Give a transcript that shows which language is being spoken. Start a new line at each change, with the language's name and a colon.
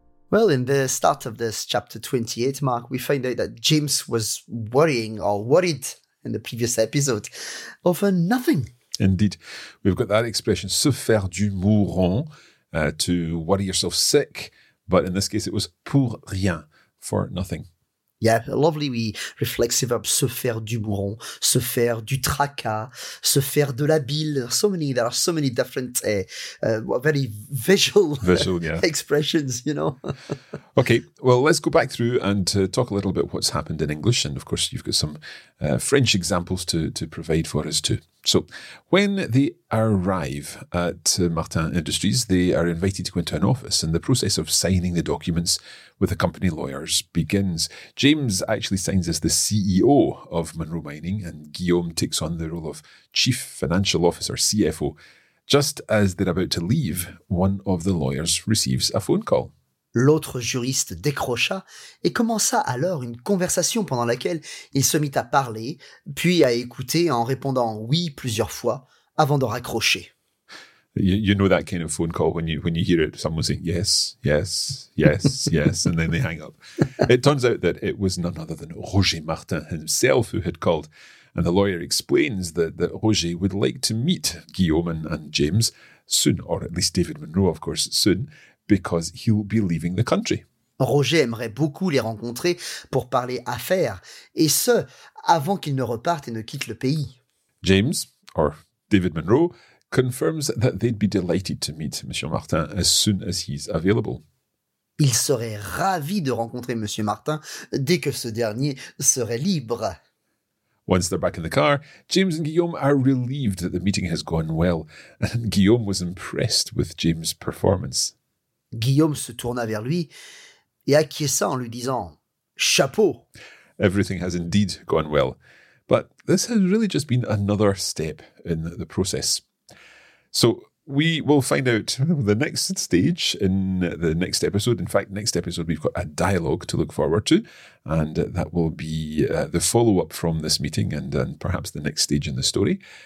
English: Well, in the start of this chapter 28, Mark, we find out that James was worried in the previous episode over nothing. Indeed. We've got that expression,
French: se faire du mouron,
English: to worry yourself sick. But in this case, it was
French: pour rien,
English: for nothing. Yeah, lovely wee reflexive verb,
French: se faire du mouron, se faire du tracas, se faire de la bile.
English: There are so many different, very visual yeah. expressions, you know. Okay, well, let's go back through and talk a little bit what's happened in English. And of course, you've got some French examples to provide for us too. So when they arrive at Martin Industries, they are invited to go into an office and the process of signing the documents with the company lawyers begins. James actually signs as the CEO of Monroe Mining and Guillaume takes on the role of Chief Financial Officer, CFO. Just as they're about to leave, one of the lawyers receives a phone call.
French: L'autre juriste décrocha et commença alors une conversation pendant laquelle il se mit à parler, puis à écouter en répondant « oui » plusieurs fois avant de raccrocher.
English: You know that kind of phone call when you hear it, someone saying « yes, yes, yes, yes » and then they hang up. It turns out that it was none other than Roger Martin himself who had called. And the lawyer explains that Roger would like to meet Guillaume and James soon, or at least David Monroe, of course, soon, because he'll be leaving the country.
French: Roger aimerait beaucoup les rencontrer pour parler affaires, et ce, avant qu'ils ne repartent et ne quittent le pays.
English: James, or David Monroe, confirms that they'd be delighted to meet Monsieur Martin as soon as he's available.
French: Il serait ravi de rencontrer Monsieur Martin dès que ce dernier serait libre.
English: Once they're back in the car, James and Guillaume are relieved that the meeting has gone well, and Guillaume was impressed with James' performance.
French: Guillaume se tourna vers lui et acquiesça en lui disant « Chapeau !»
English: Everything has indeed gone well. But this has really just been another step in the process. So we will find out the next stage in the next episode. In fact, next episode we've got a dialogue to look forward to. And that will be the follow-up from this meeting and perhaps the next stage in the story.